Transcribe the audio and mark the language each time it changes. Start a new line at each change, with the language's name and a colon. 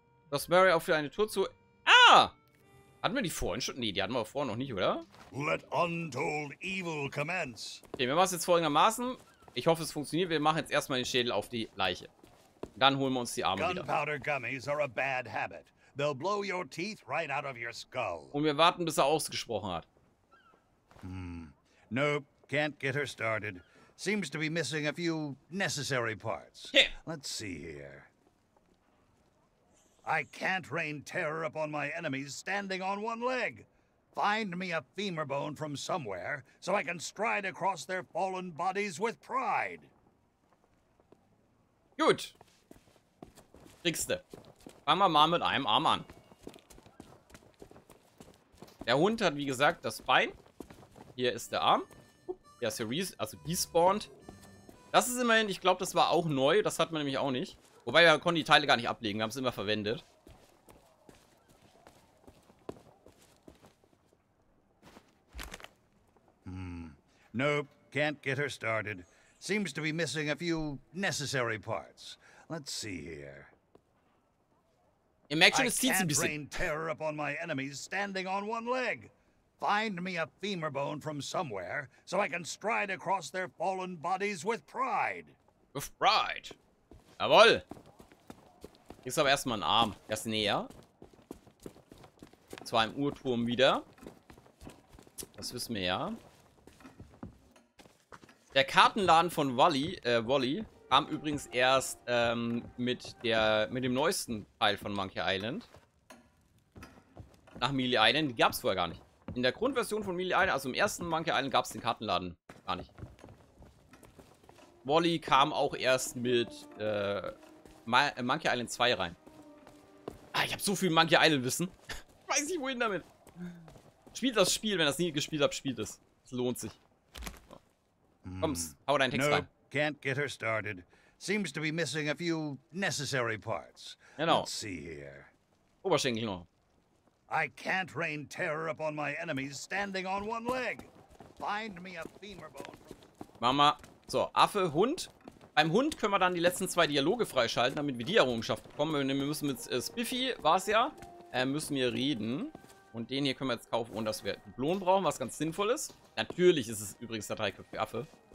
German: Dass Mary auch für eine Tour zu... Ah! Hatten wir die vorhin schon? Nee, die hatten wir vorhin noch nicht, oder?
English: Let untold evil commence.
German: Okay, wir machen es jetzt folgendermaßen. Ich hoffe, es funktioniert. Wir machen jetzt erstmal den Schädel auf die Leiche. Dann holen wir uns die Arme
English: Gunpowder
German: wieder.
English: Gummies are a bad habit. They'll blow your teeth right out of your skull.
German: Und wir warten, bis er ausgesprochen hat. Hmm.
English: Nope, can't get her started. Seems to be missing a few necessary parts. Okay. Let's see here. I can't rain terror upon my enemies standing on one leg. Find me a femur bone from somewhere, so I can stride across their fallen bodies with pride.
German: Gut. Kriegste. Fangen wir mal mit einem Arm an. Der Hund hat, wie gesagt, das Bein. Hier ist der Arm. Der ist hier despawned. Das ist immerhin, ich glaube, das war auch neu. Das hat man nämlich auch nicht. Wobei, wir konnten die Teile gar nicht ablegen. Wir haben es immer verwendet.
English: Nope, can't get her started. Seems to be missing a few necessary parts. Let's see here.
German: Im Action ist ein bisschen.
English: I can't rain terror upon my enemies standing on one leg. Find me a femur bone from somewhere, so I can stride across their fallen bodies with pride. With pride. Jawohl.
German: Ist aber erstmal ein Arm. Erst näher. Und zwar im Uhrturm wieder. Das wissen wir ja. Der Kartenladen von Wally kam übrigens erst mit dem neuesten Teil von Monkey Island. Nach Mealy Island. Die gab es vorher gar nicht. In der Grundversion von Mealy Island, also im ersten Monkey Island, gab es den Kartenladen gar nicht. Wally kam auch erst mit Monkey Island 2 rein. Ah, ich habe so viel Monkey Island Wissen. Weiß nicht, wohin damit. Spielt das Spiel, wenn ihr das nie gespielt habt, spielt es. Es lohnt sich. Komm's, hau deinen Text rein.
English: No, can't get her started. Seems to be missing a few necessary parts.
German: Genau.
English: Let's see here.
German: Oberschenkel noch.
English: I can't rain terror upon my enemies standing on one leg. Find me a femur bone.
German: Mama. So, Affe, Hund. Beim Hund können wir dann die letzten zwei Dialoge freischalten, damit wir die Errungenschaft bekommen. Wir müssen mit Spiffy, war's ja, müssen wir reden. Und den hier können wir jetzt kaufen, ohne dass wir Blumen brauchen, was ganz sinnvoll ist. Natürlich ist es übrigens der dreiköpfige Affe.